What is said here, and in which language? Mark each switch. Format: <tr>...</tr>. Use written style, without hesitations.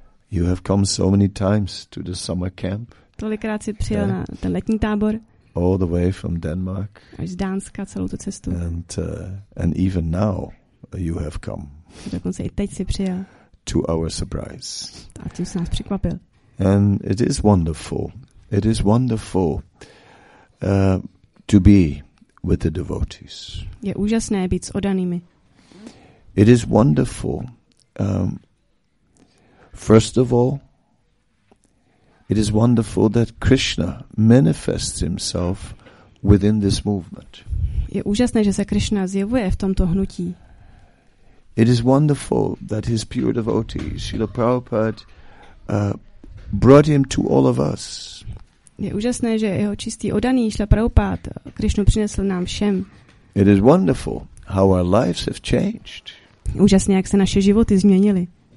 <en>You have come so many times to the summer camp.</en> <cs>Tolikrát jsi přijel na ten letní tábor.</cs> <en>All the way from Denmark.</en> <cs>Až z Dánska celou tu cestu.</cs> <en>And even now you have come.</en> <cs>Dokonce i teď jsi přijel.</cs> <en>To our surprise.</en> <cs>A tím se nás překvapil.</cs> <en>And it is wonderful. It is wonderful to be with the devotees.</en> <cs>Je úžasné být s oddanými.</cs> <en>It is wonderful. First of all, it is wonderful that Krishna manifests himself within this movement.</en> <cs>Je úžasné, že se Krishna zjevuje v tomto hnutí.</cs> <en>It is wonderful that his pure devotee, Srila Prabhupada, brought him to all of us.</en> <cs>Je úžasné, že jeho čistý oddaný Srila Prabhupada Krishnu přinesl nám všem.</cs> <en>It is wonderful how our lives have changed.</en> <cs>Úžasné, jak se naše životy změnily.</cs>